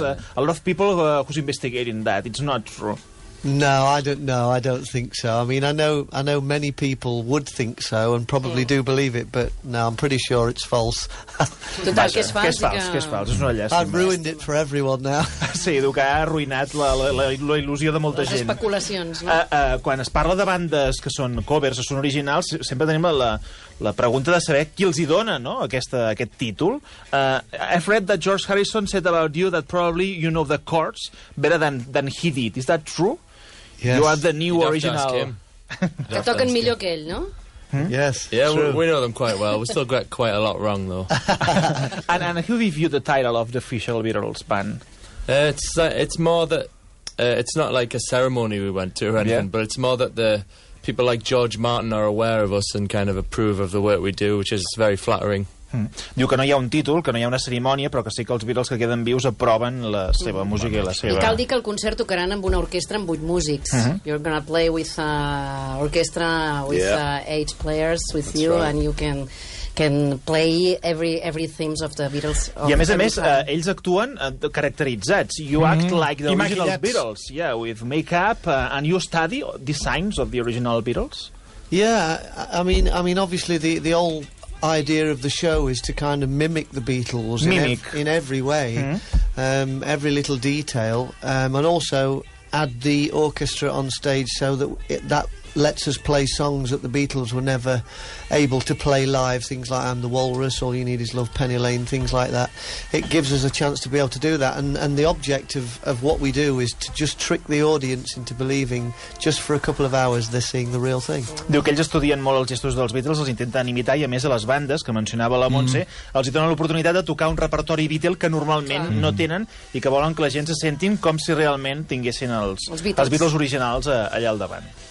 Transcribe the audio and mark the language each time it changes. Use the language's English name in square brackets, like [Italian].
[English] A lot of people who's investigating that. It's not true. No, I don't know. I don't think so. I mean, I know many people would think so and probably do believe it, but no, I'm pretty sure it's false. [Catalan] Total, que és fals. És una llàstima. [English] I've ruined it for everyone now. [Catalan] Sí, diu que ha arruïnat la il·lusió de molta gent. Les especulacions, no? Quan es parla de bandes que són covers o són originals, sempre tenim la pregunta de saber qui els hi dona, no?, aquest títol. [English] I've read that George Harrison said about you that probably you know the chords better than he did. Is that true? Yes. You are the new original. [Catalan] Que toquen millor que ell, no? [English] Hmm? Yes. Yeah, we know them quite well. We still get quite a lot wrong, though. And who gave you the title of the official Beatles band? It's more that... it's not like a ceremony we went to or anything, but it's more that the people like George Martin are aware of us and kind of approve of the work we do, which is very flattering. [Catalan] Diu que no hi ha un títol, que no hi ha una cerimònia, però que sí que els Beatles que queden vius aproven la seva música i la seva... I cal dir que el concert tocaran amb una orquestra amb 8 músics. Uh-huh. [English] You're gonna play with an orchestra with 8 players with That's you, right. And you can play every themes of the Beatles. [Catalan] I a més a més, ells actuen caracteritzats. [English] You act like the original Beatles. Yeah, with make-up. And you study the signs of the original Beatles? Yeah, I mean obviously the old idea of the show is to kind of mimic the Beatles in every way, every little detail, and also add the orchestra on stage so that that lets us play songs that the Beatles were never able to play live, things like I'm the Walrus, All You Need Is Love, Penny Lane, things like that. It gives us a chance to be able to do that, and the object of what we do is to just trick the audience into believing just for a couple of hours they're seeing the real thing. [Catalan] Diu que ells estudien molt els gestos dels Beatles, els intenten imitar, i a més a les bandes, que mencionava la Montse, els hi donen l'oportunitat de tocar un repertori Beatle que normalment no tenen i que volen que la gent se sentin com si realment tinguessin els Beatles originals allà al davant.